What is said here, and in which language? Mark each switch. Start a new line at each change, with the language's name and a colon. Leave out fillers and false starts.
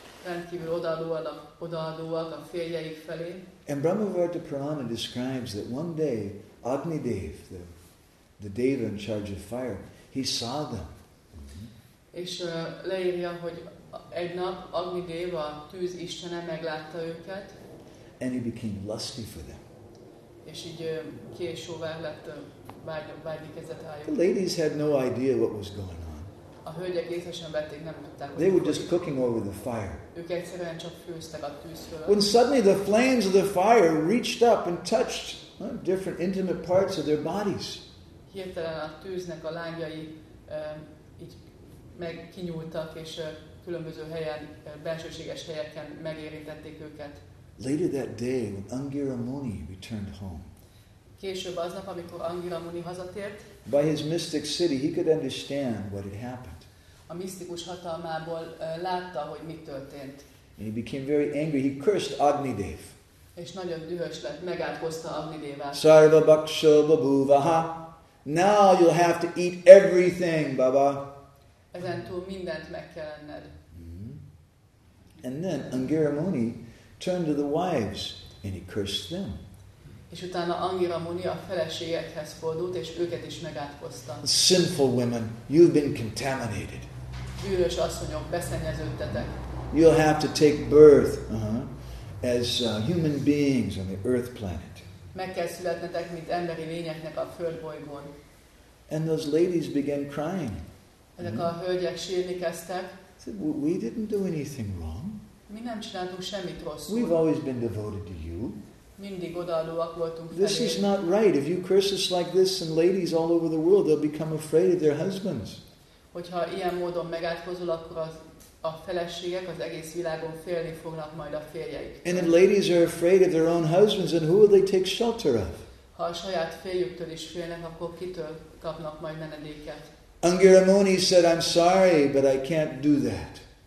Hungarian: Rendkívül odaadóak a férjeik felé.
English: And Brahmavarta Purana describes that one day, Agnidev, the deva in charge of fire, he saw them.
Hungarian: És leírja, hogy egy nap Agnidev, a tűz istene meglátta őket.
English: And he became lusty for them.
Hungarian: És így késővel lett vágykezett rájuk.
English: The ladies had no idea what was going on.
Hungarian: A hölgyek észre sem vették, nem tudták.
English: They were just cooking over the fire.
Hungarian: Ők egyszerűen csak főztek a tűz fölött.
English: When suddenly the flames of the fire reached up and touched different intimate parts of their bodies.
Hungarian: Hirtelen a tűznek a lángjai így megkinyúltak, és különböző helyen, belsőséges helyeken megérintették őket.
English: Later that day, when Angira Muni returned home,
Hungarian: később aznap, amikor Angira Muni hazatért,
English: by his mystic city, he could understand what had happened.
Hungarian: A misztikus hatalmából látta, hogy mit történt.
English: And he became very angry. He cursed Agnidev.
Hungarian: És nagyon dühös lett, megátkozta Agnidevát.
Sanskrit: Sarva baksha babuvaha.
English: Now you'll have to eat everything, Baba.
Hungarian: Ezentúl mindent meg kell enned.
English: And then Angira Muni turned to the wives and he cursed them.
Hungarian: És utána Angira Muni a feleségekhez fordult, és őket is megátkozta.
English: Sinful women, you've been contaminated.
Hungarian: Bűnös asszonyok, beszennyeződtetek.
English: You'll have to take birth as human beings on the earth planet.
Hungarian: Meg kell születnetek, mint emberi lényeknek a földbolygón.
English: And those ladies began crying.
Hungarian: Ezek a hölgyek sírni kezdtek.
English: Said, we didn't do anything wrong.
Hungarian: Mi nem csináltunk semmit rosszul.
English: We've always been devoted to you.
Hungarian: Mindig odaadóak voltunk felé.
English: This is not right. If you curse us like this, and ladies all over the world, they'll become afraid of their husbands.
Hungarian: Hogyha ilyen módon megátkozol, akkor a feleségek az egész világon félni fognak majd a férjeiktől.
English: And if ladies are afraid of their own husbands, then who will they take shelter of?
Hungarian: Ha a saját férjüktől is félnek, akkor kitől kapnak majd menedéket?
English: Angira Muni said, I'm sorry, but I can't do that.